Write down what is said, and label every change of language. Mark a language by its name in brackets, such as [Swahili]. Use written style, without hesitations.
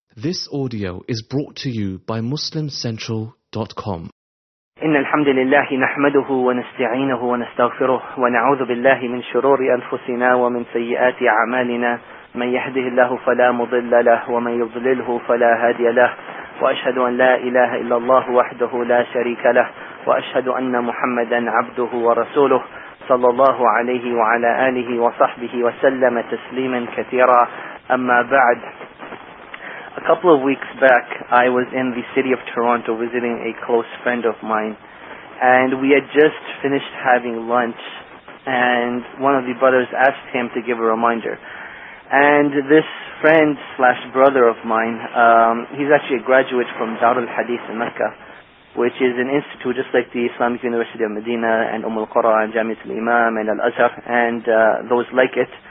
[English] This audio is brought to you by MuslimCentral.com. [Arabic] إن الحمد لله نحمده ونستعينه ونستغفره ونعوذ بالله من شرور أنفسنا ومن سيئات أعمالنا. من يهده الله فلا مضل له ومن يضلله فلا هادي له. وأشهد أن لا إله إلا الله وحده لا شريك له وأشهد أن محمدا عبده ورسوله صلى الله عليه وعلى آله وصحبه وسلم تسليما كثيرا. أما بعد, [English] a couple of weeks back, I was in the city of Toronto visiting a close friend of mine, and we had just finished having lunch, and one of the brothers asked him to give a reminder. And this friend slash brother of mine, he's actually a graduate from Darul Hadith in Mecca, which is an institute just like the Islamic University of Medina and Umm al-Qura and Jamiat al-Imam and Al-Azhar and those like it.